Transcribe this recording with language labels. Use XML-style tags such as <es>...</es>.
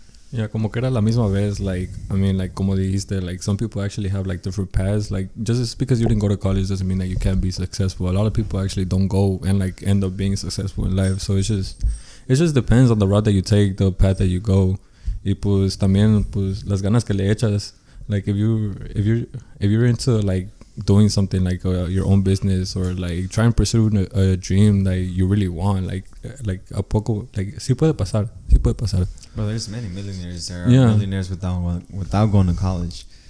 <en>Yeah,</en> <es>como que era la misma vez,</es> <en>like, I mean, like,</en> <es>como dijiste,</es> <en>like, some people actually have, like, different paths. Like, just because you didn't go to college doesn't mean that you can't be successful. A lot of people actually don't go and, like, end up being successful in life. So it just depends on the route that you take, the path that you go.</en> <es>Y pues también, pues, las ganas que le echas.</es> <en>Like, if you're into, like, doing something like your own business or, like, try and pursue a dream that you really want, like</en> <es>a poco,</es> <en>like,</en> <es>sí puede pasar.</es> <en>Bro, there's many millionaires. There are millionaires without going to college.</en>